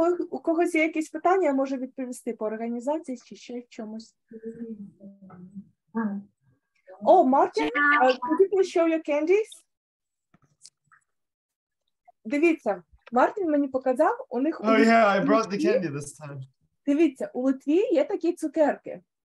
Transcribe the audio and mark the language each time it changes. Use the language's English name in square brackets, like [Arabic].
[Ukrainian] У когось є якісь питання, може відповісти по організації чи ще чомусь. [English] О, Мартін, could you please show your candies? [Ukrainian] Дивіться, Мартін мені показав, у них... [English] Oh, yeah, I brought the candy this time. [Ukrainian] Дивіться, у Литві є такі цукерки.